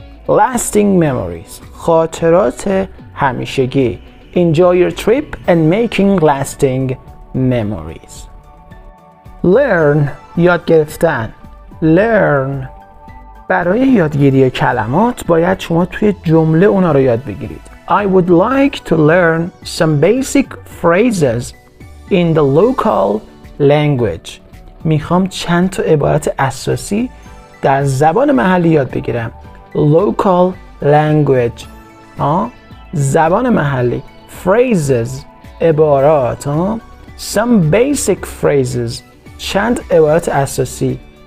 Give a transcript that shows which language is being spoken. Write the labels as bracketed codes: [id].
[en] Lasting memories، [fa] خاطرات همیشگی. [en] Enjoy your trip and making lasting memories. [fa] Learn، یاد گرفتن. Learn، برای یادگیری کلمات باید شما توی جمله اونا رو یاد بگیرید. [en] I would like to learn some basic phrases in the local language. [fa] میخوام چند تا عبارت اساسی در زبان محلی یاد بگیرم. [en] Local language، [fa] زبان محلی. Phrases، عبارات. [en] Some basic phrases، [fa] چند عبارت اساسی.